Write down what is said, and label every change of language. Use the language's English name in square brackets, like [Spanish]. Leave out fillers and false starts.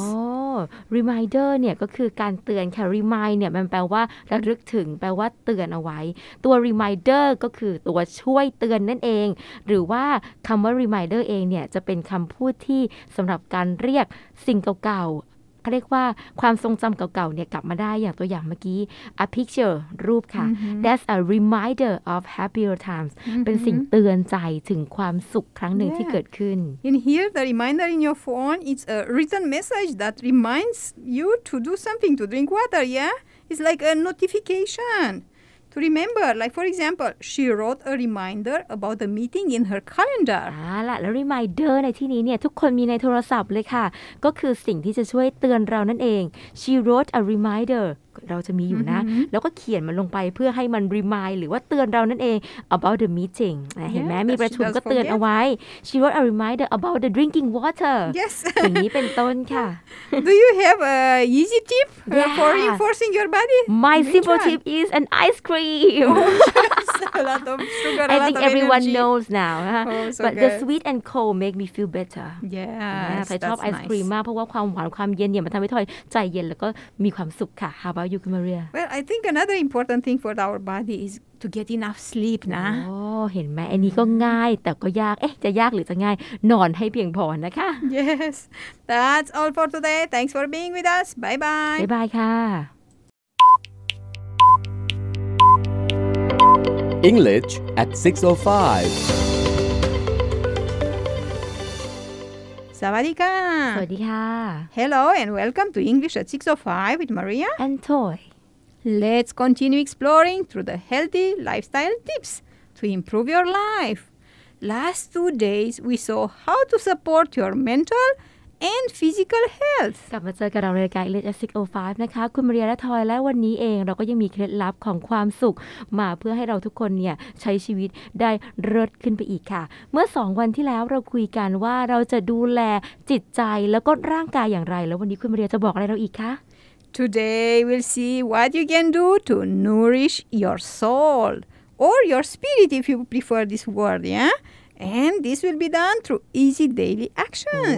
[Thai] Oh, reminder เนี่ยก็คือการเตือนค่ะ remind เนี่ยมันแปลว่าระลึกถึงแปลว่าเตือนเอาไว้ตัว reminder ก็คือตัวช่วยเตือนนั่นเองหรือว่าคำว่า reminder เองเนี่ยจะเป็นคำพูดที่สำหรับการเรียกสิ่งเก่าๆเรียกว่าความทรงจำเก่าๆเนี่ยกลับมาได้อย่างตัวอย่างเมื่อกี้ a picture รูปค่ะ [English] that's a reminder of happier times [Thai] เป็นสิ่งเตือนใจถึงความสุขครั้งหนึ่งที่เกิดขึ้น [English] in here the reminder in your phone is a written message that reminds you to do something to drink water yeah it's like a notification to remember like for example she wrote a reminder about the meeting in her calendar [Thai] อ่าล่ะแล้ว reminder ในที่นี้เนี่ยทุกคนมีในโทรศัพท์เลยค่ะก็คือสิ่งที่จะช่วยเตือนเรานั่นเอง [English] she wrote a reminder [Thai] เราจะมีอยู่นะแล้วก็เขียนมันลงไปเพื่อให้มัน remind หรือว่าเตือนเรานั่นเอง [English] about the meeting [Thai] เห็นไหมมีประชุมก็เตือนเอาไว้ [English] she wrote a reminder about the drinking water yes [Thai] อย่างนี้เป็นต้นค่ะ [English] do you have a easy tip for reinforcing your body my simple tip is an ice cream a lot of sugar I think everyone knows now but okay. the sweet and cold make me feel better yeah I love ice cream [Thai] มากเพราะว่าความหวานความเย็นเนี่ยมันทำให้ใจเย็นแล้วก็มีความสุขค่ะ [English] How about you, Maria? Well, I think another important thing for our body is to get enough sleep, นะ [Thai] Oh, เห็นไหมอันนี้ก็ง่ายแต่ก็ยากเอ๊ะจะยากหรือจะง่ายนอนให้เพียงพอนะคะ [English] Yes, that's all for today. Thanks for being with us. Bye-bye. Bye-bye, ค่ะ English at 6:05 [Thai] สวัสดีค่ะ สวัสดีค่ะ [English] Hello and welcome to English at 6:05 with Maria and Toy. Let's continue exploring through the healthy lifestyle tips to improve your life. Last 2 days we saw how to support your mental and physical health. [Thai] กลับมาเจอกับเราในรายการ English at 6:05 นะคะคุณมาเรียและทอยและวันนี้เองเราก็ยังมีเคล็ดลับของความสุขมาเพื่อให้เราทุกคนเนี่ยใช้ชีวิตได้เลิศขึ้นไปอีกค่ะเมื่อ2 วันที่แล้วเราคุยกันว่าเราจะดูแลจิตใจแล้วก็ร่างกายอย่างไรแล้ววันนี้คุณมาเรียจะบอกอะไรเราอีกคะ [English] Today we'll see what you can do to nourish your soul or your spirit if you prefer this word, yeah? And this will be done through easy daily actions.